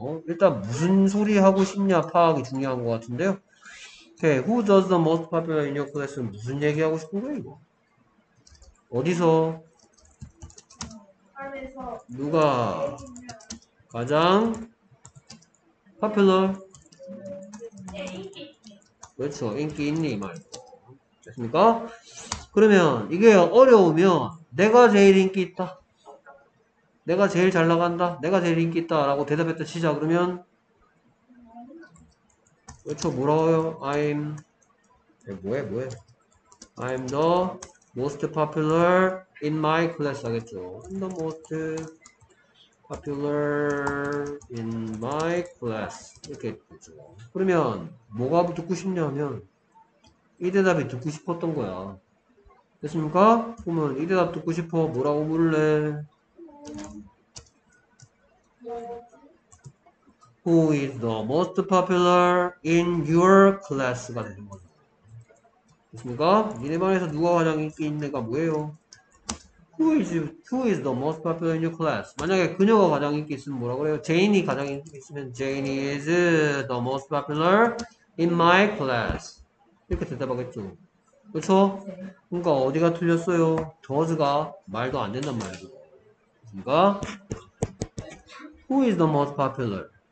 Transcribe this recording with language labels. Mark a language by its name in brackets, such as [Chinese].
[Korean] 일단 무슨 소리 하고 싶냐 파악이 중요한 것 같은데요. [English] Okay, who does the most popular in your class? [Korean] 무슨 얘기 하고 싶은 거야, 이거? 어디서? 누가 가장 popular? 그렇죠. 인기 있니, 이 말. 됐습니까? 그러면, 이게 어려우면, 내가 제일 인기 있다. 내가 제일 잘 나간다. 내가 제일 인기 있다. 라고 대답했다 치자, 그러면, 그렇죠. 뭐라고요? I'm, 뭐해? [English] I'm the most popular in my class [Korean] 하겠죠. [English] I'm the most popular in my class. [Korean] 이렇게 되죠. 그러면, 뭐가 듣고 싶냐면, 이 대답이 듣고 싶었던 거야. 됐습니까? 그러면 이 대답 듣고 싶어. 뭐라고 물을래? [English] Who is the most popular in your class [Korean] 가 되는 거죠. 됐습니까? 니네 반에서 누가 가장 인기 있는가 뭐예요? [English] Who is the most popular in your class? [Korean] 만약에 그녀가 가장 인기 있으면 뭐라고 그래요? 제인이 가장 인기 있으면 제인 [English] is the most popular in my class. [Korean] 이렇게 대답하겠죠. 그렇죠? 그러니까 어디가 틀렸어요? Does가 말도 안 된단 말이죠. 그러니까 [English] Who is the most popular?